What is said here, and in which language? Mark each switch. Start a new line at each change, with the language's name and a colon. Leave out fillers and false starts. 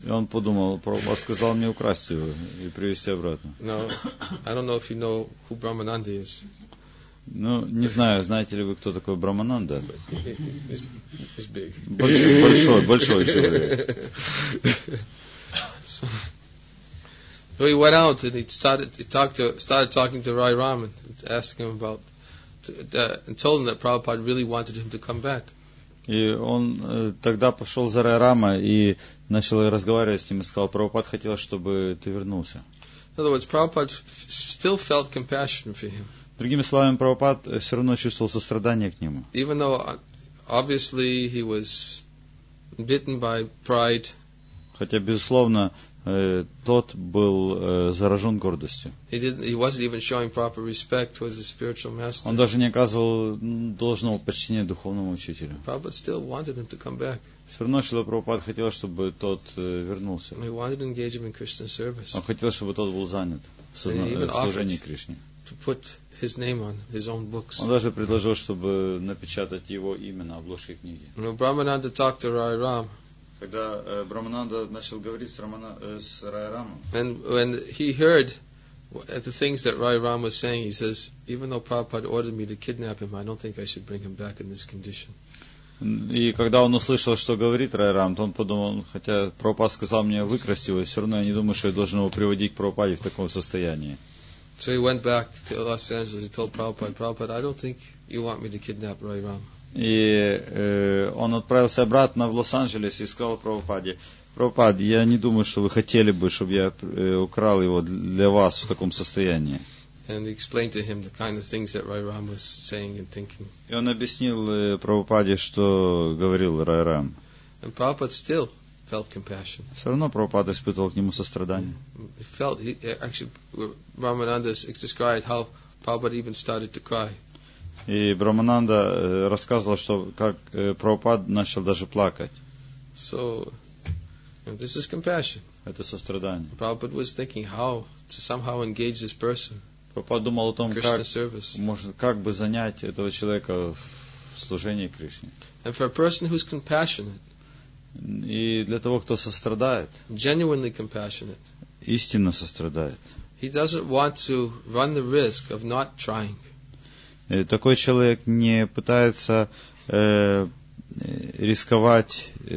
Russian: И он подумал, Прабхупада сказал мне украсть его и привезти обратно.
English: No, I don't know if you know who Brahmananda is.
Russian: Ну, не знаю, знаете ли вы, кто такой Брамананда?
English: He's big.
Russian: Большой человек.
English: So he went out and he started talking to Rai Ram and asking him about and told him that Prabhupada really wanted him to come back.
Russian: И он тогда пошел за Рай Рама и начал разговаривать с ним и сказал, Прабхупада хотел, чтобы ты вернулся.
English: In other words, Prabhupada still felt compassion for him.
Russian: Другими словами, Прабхупада все равно чувствовал сострадание к нему.
English: Even though obviously he was bitten by pride.
Russian: Хотя безусловно тот был заражен гордостью.
English: He wasn't even showing proper respect towards the spiritual master.
Russian: Он даже не оказывал должного почтения духовному учителю.
English: Prabhupada still wanted him to come back.
Russian: Все равно Шрила Прабхупада хотел, чтобы тот вернулся.
English: He wanted to engage him in Krishna service.
Russian: Он хотел, чтобы тот был занят в служении Кришне.
English: To put his name on his own books.
Russian: Он даже предложил, чтобы напечатать его имя на обложке книги. Но
English: Брамананда talked to Rai Ram.
Russian: Когда Брамананда начал говорить с Рай Рамом.
English: And when he heard the things that Rai Ram was saying, he says, even though Prabhupada ordered me to kidnap him, I don't think I should bring him back in this condition.
Russian: И когда он услышал, что говорит Рай Рам, то он подумал, хотя Прабхупада сказал мне выкрасть его, все равно я не думаю, что я должен его приводить к Прабхупаде в таком состоянии.
English: So he went back to Los Angeles and told Prabhupada, I don't think you want me to kidnap Rai Ram.
Russian: И он отправился обратно в Лос-Анджелес и сказал Прабхупаде, Прабхупад, я не думаю, что вы хотели бы, чтобы я украл его для вас в таком состоянии.
English: And he explained to him the kind of things that Rai Ram was saying and thinking.
Russian: И он объяснил Прабхупаде, что говорил Рай Рам.
English: And Prabhupada still felt compassion.
Russian: Все равно Прабхупада испытывал к нему сострадание.
English: He felt, actually, Ramananda described how Prabhupada even started to cry.
Russian: И Брамананда рассказывал, что как Прабхупад начал даже плакать.
English: So, This is compassion.
Russian: Это сострадание.
English: Prabhupada was thinking how to somehow engage this person.
Russian: Прабхупада думал о том, как бы занять этого человека в служении Кришне.
English: And for a person who's compassionate.
Russian: И для того, кто сострадает.
English: Genuinely compassionate.
Russian: Истинно сострадает.
English: He doesn't want to run the risk of not trying.
Russian: Такой человек не пытается рисковать.